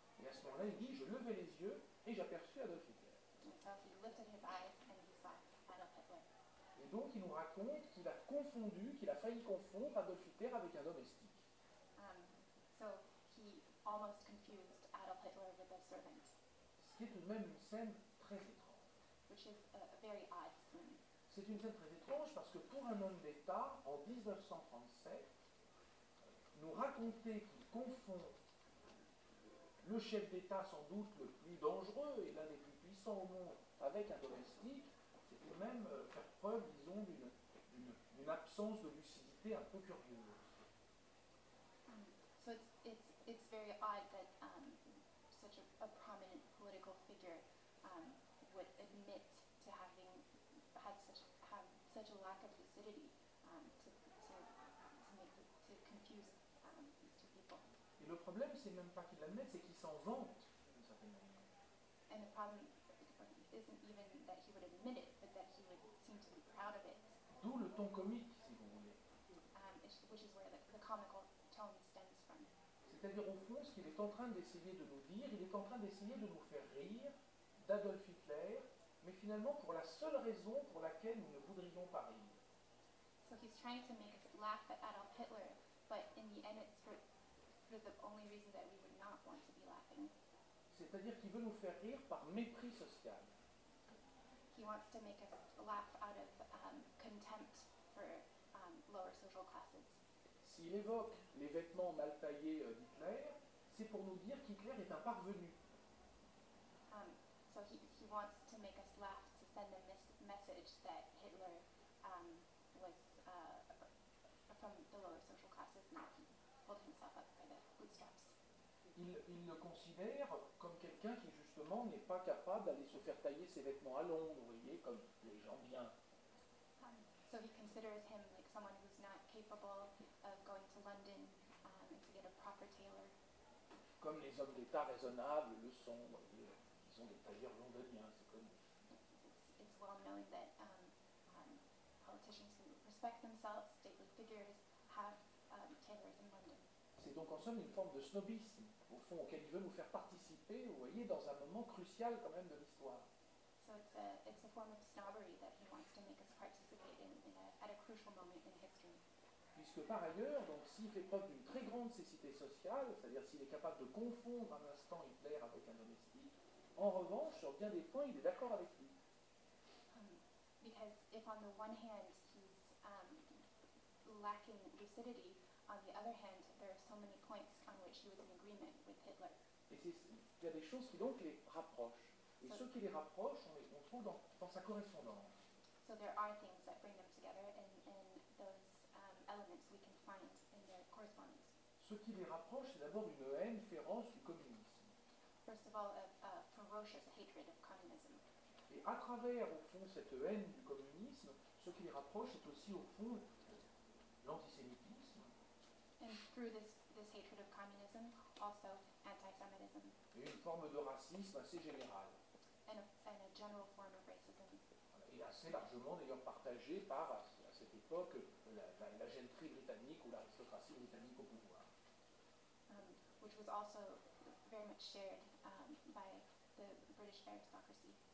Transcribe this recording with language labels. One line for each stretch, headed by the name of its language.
French: Et à ce moment-là, il dit, je levais les yeux et j'aperçus Adolf Hitler.
English: So he lifted his eyes and he saw Adolf Hitler.
French: Et donc, il nous raconte qu'il a confondu, qu'il a failli confondre Adolf Hitler avec un domestique.
English: So he almost confused Adolf Hitler with a male servant.
French: Ce qui est tout de même une scène très étrange.
English: Which is a very odd scene.
French: C'est une scène très étrange parce que pour un homme d'État, en 1937, nous raconter qu'il confond le chef d'État, sans doute le plus dangereux et l'un des plus puissants au monde, avec un domestique, c'est tout de même faire preuve, disons, d'une absence de lucidité un peu curieuse.
English: So it's very odd that such a prominent political figure would admit to having had such a lack of lucidity to confuse these two people.
French: Et le problème, c'est même pas qu'il l'admette, c'est qu'il s'en vante.
English: And the problem isn't even that he would admit it, but that he would seem to be proud of it.
French: D'où le ton comique, si vous voulez.
English: Which is where the comical tone stems from.
French: C'est-à-dire, au fond, ce qu'il est en train d'essayer de nous dire, il est en train d'essayer de nous faire rire d'Adolf Hitler, mais finalement pour la seule raison pour laquelle nous ne voudrions pas rire.
English: So he's trying to make us laugh at Adolf Hitler, but in the end it's for the only reason that we would not want to be laughing.
French: C'est-à-dire qu'il veut nous faire rire par mépris social.
English: He wants to make us laugh out of contempt for lower social classes.
French: S'il évoque les vêtements mal taillés d'Hitler, c'est pour nous dire qu'Hitler est un parvenu.
English: So he wants to make us laugh to send a message that Hitler was from the lower social classes and that he pulled himself up by the bootstraps.
French: Il le considère comme quelqu'un qui justement n'est pas capable d'aller se faire tailler ses vêtements à Londres, vous voyez, comme les gens bien.
English: So he considers him like someone who's not capable of going to London to get a proper tailor.
French: Comme les hommes d'État raisonnables le sont, vous voyez, ils sont des tailleurs londoniens, c'est connu.
English: It's well known that politicians who respect themselves, stately figures, have tailors in London.
French: C'est donc en somme une forme de snobisme, au fond, auquel il veut nous faire participer, vous voyez, dans un moment crucial quand même de l'histoire.
English: So it's a form of snobbery that he wants to make us participate at a crucial moment in history.
French: Puisque par ailleurs, donc, s'il fait preuve d'une très grande cécité sociale, c'est-à-dire s'il est capable de confondre un instant Hitler avec un domestique, en revanche, sur bien des points, il est d'accord avec lui.
English: Because if on the one hand he's lacking lucidity, on the other hand, there are so many points on which he was in agreement with Hitler.
French: Et il y a des choses qui donc les rapprochent. Et ceux qui les rapprochent, on trouve dans sa correspondance.
English: So there are things that bring them together and those elements we can find in their correspondence.
French: Ce qui les rapproche, c'est d'abord une haine féroce du communisme.
English: First of all, a ferocious hatred of communism.
French: Et à travers, au fond, cette haine du communisme, ce qui les rapproche, c'est aussi, au fond, l'antisémitisme.
English: And through this hatred of communism, also anti-Semitism.
French: Et une forme de racisme assez générale.
English: And a general form of racism.
French: Et assez largement, d'ailleurs, partagé par, à cette époque, la gentry britannique ou l'aristocratie britannique au pouvoir.
English: Which was also very much shared by the British aristocracy.